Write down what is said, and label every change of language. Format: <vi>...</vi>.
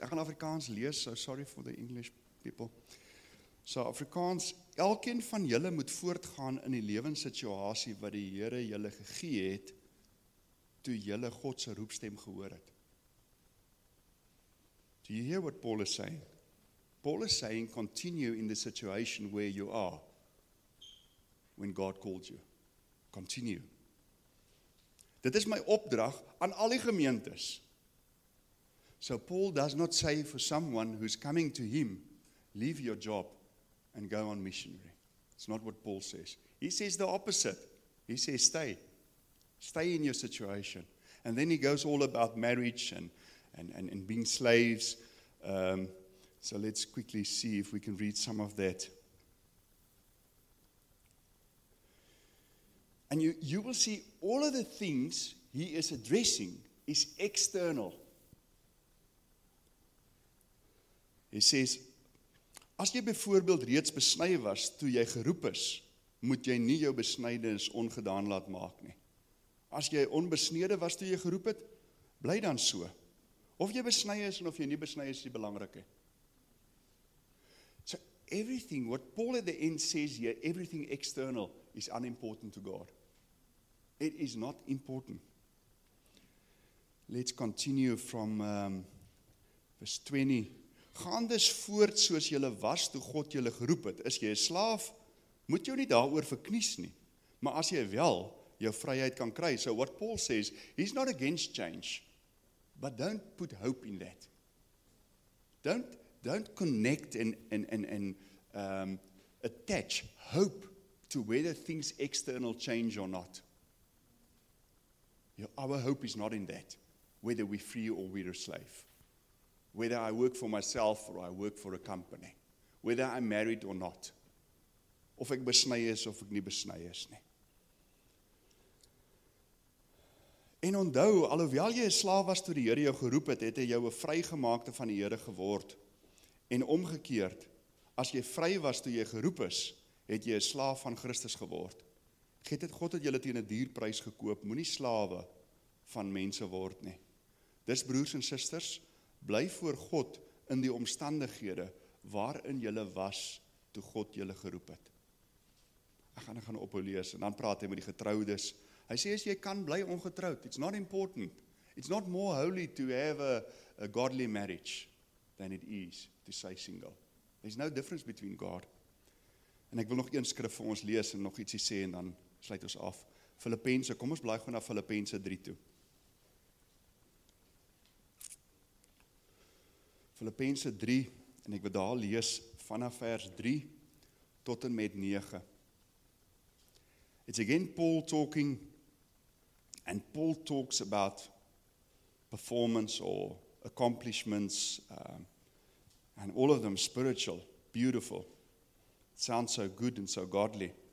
<af>Ek gaan Afrikaans lees,</af> <en>so sorry for the English people.</en> <af>So Afrikaans, elkeen van julle moet voortgaan in die lewenssituasie wat die Here julle gegee het toe julle God se roepstem gehoor het.</af> <en>Do you hear what Paul is saying? Paul is saying continue in the situation where you are when God called you. Continue.</en> <af>Dit is my opdrag aan al die gemeentes.</af> <en>So Paul does not say for someone who's coming to him, leave your job and go on missionary. It's not what Paul says. He says the opposite. He says stay. Stay in your situation. And then he goes all about marriage and being slaves. So let's quickly see if we can read some of that. And you will see all of the things he is addressing is external. He says,</en> <af>as jy byvoorbeeld reeds besny was toe jy geroep is, moet jy nie jou besnydenis ongedaan laat maak nie. As jy onbesnede was toe jy geroep het, bly dan so. Of jy besny is en of jy nie besny is, is die belangrike.</af> <en>So everything, what Paul at the end says here, everything external is unimportant to God. It is not important. Let's continue from verse 20.</en> <af>Gaan dus voort soos jy was toe God jy geroep het. Is jy 'n slaaf, moet jy nie daaroor verknies nie. Maar as jy wel jou vryheid kan kry.</af> <en>So what Paul says, he's not against change. But don't put hope in that. Don't connect and attach hope to whether things external change or not. Our hope is not in that, whether we're free or we're a slave. Whether I work for myself or I work for a company. Whether I'm married or not.</en> <af>Of ek besny is of ek nie besny is nie. En onthou, alhoewel jy 'n slaaf was toe die Here jou geroep het, het hy jou 'n vrygemaakte van die Here geword. En omgekeerd, as jy vry was toe jy geroep is, het jy 'n slaaf van Christus geword. Giet het God het julle teen 'n duur prys gekoop, moenie slawe van mense word nie. Dis broers en susters, bly voor God in die omstandighede waarin julle was toe God julle geroep het. Ek gaan ophou lees en dan praat hy met die getroudes. Hy sê as jy kan bly ongetroud,</af> <en>it's not important. It's not more holy to have a godly marriage than it is to stay single. There's no difference between God.</en> <af>En ek wil nog een skrif vir ons lees en nog ietsie sê en dan sluit ons af. Filippense, kom ons bly gou na Filippense 3 toe. Filippense 3 en ek wil daar lees vanaf vers 3 tot en met 9.</af> <en>It's again Paul talking, and Paul talks about performance or accomplishments, and all of them spiritual, beautiful. It sounds so good and so godly.</en>